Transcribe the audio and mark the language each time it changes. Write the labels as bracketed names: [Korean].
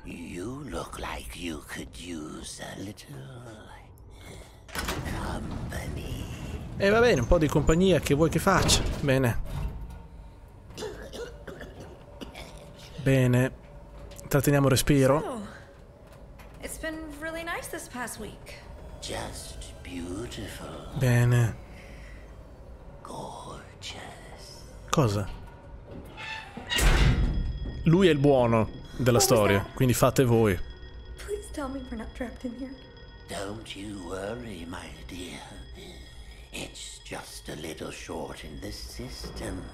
[English] You look like you could use a little company. [Italian] E va bene, un po' di compagnia, che vuoi che faccia? Bene. Bene. Tratteniamo il respiro. [English] So, it's been really nice this past week. Just beautiful. [Italian] Bene. [English] Gorgeous. [Italian] Cosa? Lui è il buono della storia, quindi fate voi. [English] Please tell me we're not trapped in here. Don't you worry, my dear. It's just a little short in the system.